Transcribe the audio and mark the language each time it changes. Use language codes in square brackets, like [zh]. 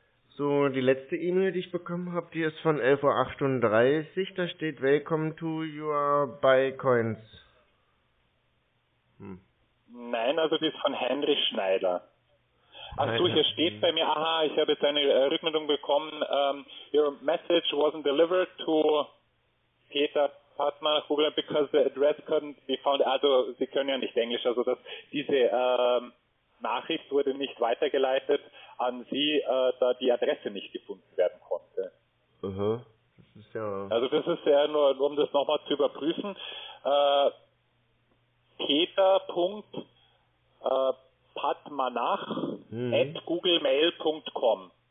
[de] So, die letzte E-Mail, die ich bekommen habe, die ist von 11.38 Uhr. Da steht, [en] Welcome to your Bycoins. [de] Nein, also die ist von Henry Schneider. Achso, hier steht bei mir, aha, ich habe jetzt eine Rückmeldung bekommen. [en] Your message wasn't delivered to Peter Partner Google because the address couldn't be found. [de] Also, Sie können ja nicht Englisch, also dass diese Nachricht wurde nicht weitergeleitet an Sie, da die Adresse nicht gefunden werden konnte. Uh-huh. Das ist ja. Also das ist ja nur, um das nochmal zu überprüfen, peter.patmanach@googlemail.com.